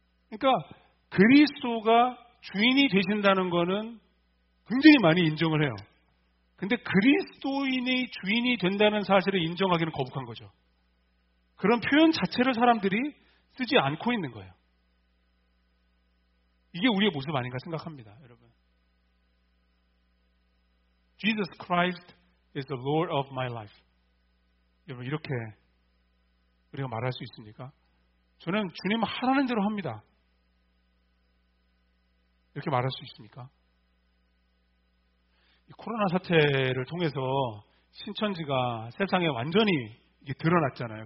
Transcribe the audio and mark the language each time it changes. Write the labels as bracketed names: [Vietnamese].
[Korean] 그러니까 그리스도가 주인이 되신다는 거는 굉장히 많이 인정을 해요. 근데 그리스도인이 주인이 된다는 사실을 인정하기는 거북한 거죠. 그런 표현 자체를 사람들이 쓰지 않고 있는 거예요. 이게 우리의 모습 아닌가 생각합니다, 여러분. [English] Jesus Christ is the Lord of my life. [Korean] 여러분, 이렇게 우리가 말할 수 있습니까? 저는 주님 하라는 대로 합니다. 이렇게 말할 수 있습니까? 이 코로나 사태를 통해서 신천지가 세상에 완전히 이게 드러났잖아요.